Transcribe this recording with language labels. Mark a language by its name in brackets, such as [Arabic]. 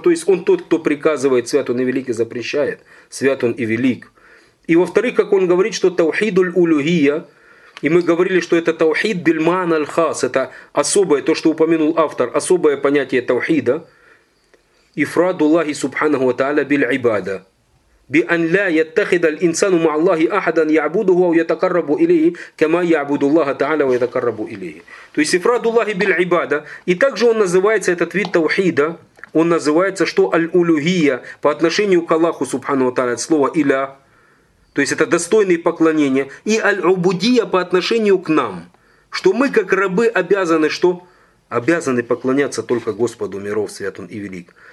[Russian] То есть он тот, кто приказывает, свят Он и велик, и запрещает. Свят Он и велик. И во-вторых, как он говорит, что таухидуль улюхия. И мы говорили, что это таухид бильман аль хас. Это особое, то, что упомянул автор, особое понятие таухида. Ифрадуллахи субханаху тааля биль ибада. [Arabic] بأن لا يتخذ الإنسان مع الله أحدا يعبده أو يتقرب إليه كما يعبد الله تعالى ويتقرب إليه. [Russian] То есть [Arabic] إفراد الله بالعبادة. [Russian] И также он называется этот вид таухида. Он называется что аль-улюхия по отношению к Аллаху Субхану ва тааля. Слово иля. То есть это достойное поклонение. И аль-убудия по отношению к нам, что мы как рабы обязаны что обязаны поклоняться только Господу миров, свят Он и велик.